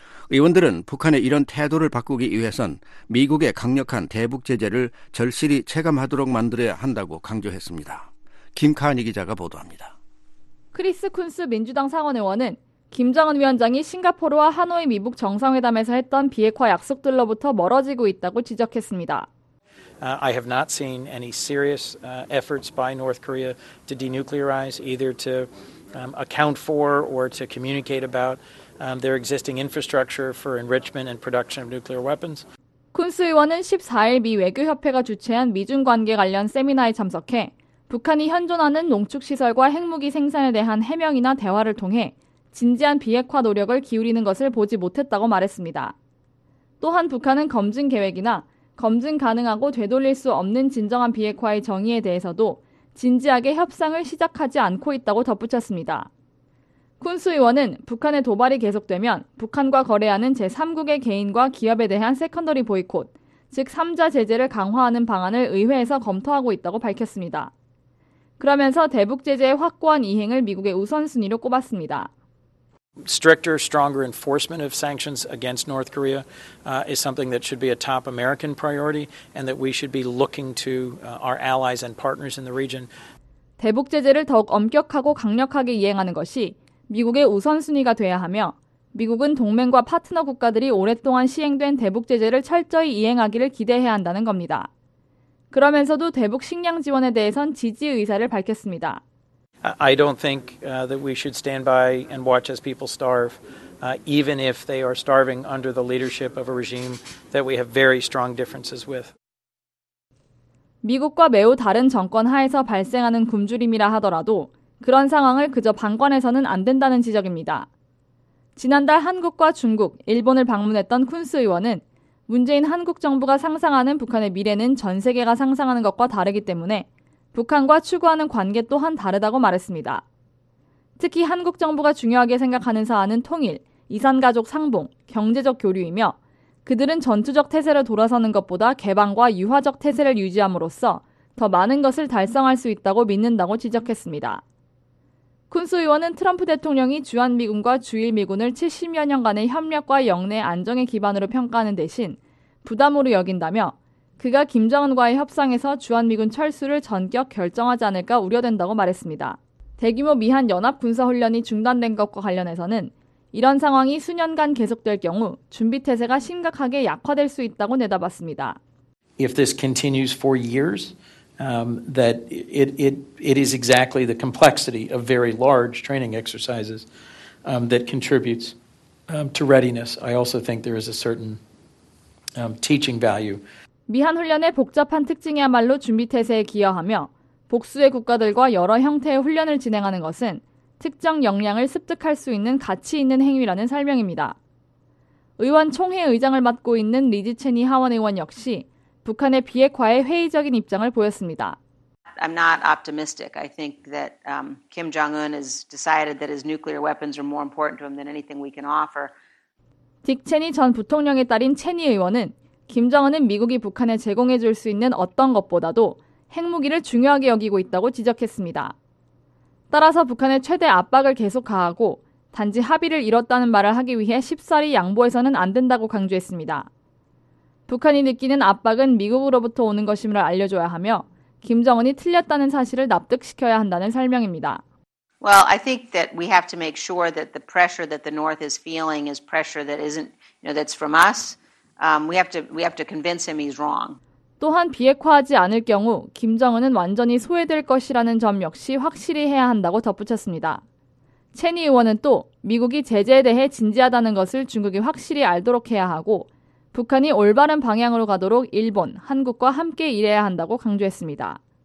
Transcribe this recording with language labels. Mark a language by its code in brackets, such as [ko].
[ko] 의원들은 북한의 이런 태도를 바꾸기 위해선 미국의 강력한 대북 제재를 절실히 체감하도록 만들어야 한다고 강조했습니다. 김카은희 기자가 보도합니다. 크리스 쿤스 민주당 상원 의원은 김정은 위원장이 싱가포르와 하노이 미북 정상회담에서 했던 비핵화 약속들로부터 멀어지고 있다고 지적했습니다. [en] I have not seen any serious efforts by North Korea to denuclearize either to account for or to communicate about their existing infrastructure for enrichment and production of nuclear weapons. [ko] 쿤스 의원은 14일 미 외교협회가 주최한 미중 관계 관련 세미나에 참석해 북한이 현존하는 농축시설과 핵무기 생산에 대한 해명이나 대화를 통해 진지한 비핵화 노력을 기울이는 것을 보지 못했다고 말했습니다. 또한 북한은 검증 계획이나 검증 가능하고 되돌릴 수 없는 진정한 비핵화의 정의에 대해서도 진지하게 협상을 시작하지 않고 있다고 덧붙였습니다. 쿤스 의원은 북한의 도발이 계속되면 북한과 거래하는 제3국의 개인과 기업에 대한 세컨더리 보이콧, 즉 3자 제재를 강화하는 방안을 의회에서 검토하고 있다고 밝혔습니다. 그러면서 대북 제재의 확고한 이행을 미국의 우선순위로 꼽았습니다. [en] Stricter, stronger enforcement of sanctions against North Korea is something that should be a top American priority and that we should be looking to our allies and partners in the region. [ko] 대북 제재를 더욱 엄격하고 강력하게 이행하는 것이 미국의 우선순위가 돼야 하며 미국은 동맹과 파트너 국가들이 오랫동안 시행된 대북 제재를 철저히 이행하기를 기대해야 한다는 겁니다. 그러면서도 대북 식량 지원에 대해선 지지 의사를 밝혔습니다. [en] I don't think that we should stand by and watch as people starve, even if they are starving under the leadership of a regime that we have very strong differences with. [ko] 미국과 매우 다른 정권 하에서 발생하는 굶주림이라 하더라도 그런 상황을 그저 방관해서는 안 된다는 지적입니다. 지난달 한국과 중국, 일본을 방문했던 쿤스 의원은 문재인 한국 정부가 상상하는 북한의 미래는 전 세계가 상상하는 것과 다르기 때문에 북한과 추구하는 관계 또한 다르다고 말했습니다. 특히 한국 정부가 중요하게 생각하는 사안은 통일, 이산가족 상봉, 경제적 교류이며 그들은 전투적 태세를 돌아서는 것보다 개방과 유화적 태세를 유지함으로써 더 많은 것을 달성할 수 있다고 믿는다고 지적했습니다. 쿤스 의원은 트럼프 대통령이 주한미군과 주일미군을 70여 년간의 협력과 영내 안정의 기반으로 평가하는 대신 부담으로 여긴다며 그가 김정은과의 협상에서 주한미군 철수를 전격 결정하지 않을까 우려된다고 말했습니다. 대규모 미한 연합군사훈련이 중단된 것과 관련해서는 이런 상황이 수년간 계속될 경우 준비태세가 심각하게 약화될 수 있다고 내다봤습니다. [en] If this continues for years, that it is exactly the complexity of very large training exercises that contributes to readiness. I also think there is a certain teaching value. [ko] 미한 훈련의 복잡한 특징이야말로 준비 태세에 기여하며 복수의 국가들과 여러 형태의 훈련을 진행하는 것은 특정 역량을 습득할 수 있는 가치 있는 행위라는 설명입니다. 의원 총회 의장을 맡고 있는 리지 체니 하원 의원 역시 북한의 비핵화에 회의적인 입장을 보였습니다. [en] I'm not optimistic. I think that Kim Jong-un has decided that his nuclear weapons are more important to him than anything we can offer. [ko] 딕 체니 전 부통령의 딸인 체니 의원은 김정은은 미국이 북한에 제공해 줄 수 있는 어떤 것보다도 핵무기를 중요하게 여기고 있다고 지적했습니다. 따라서 북한의 최대 압박을 계속 가하고 단지 합의를 이뤘다는 말을 하기 위해 쉽사리 양보해서는 안 된다고 강조했습니다. 북한이 느끼는 압박은 미국으로부터 오는 것임을 알려줘야 하며 김정은이 틀렸다는 사실을 납득시켜야 한다는 설명입니다. [en] Well, I think that we have to make sure that the pressure that the North is feeling is pressure that isn't, you know, that's from us. We have to convince him he's wrong. [ko] 또한 비핵화하지 않을 경우 김정은은 완전히 소외될 것이라는 점 역시 확실히 해야 한다고 덧붙였습니다. 체니 의원은 또 미국이 제재에 대해 진지하다는 것을 중국이 확실히 알도록 해야 하고 북한이 올바른 방향으로 가도록 일본, 한국과 함께 일해야 한다고 강조했습니다.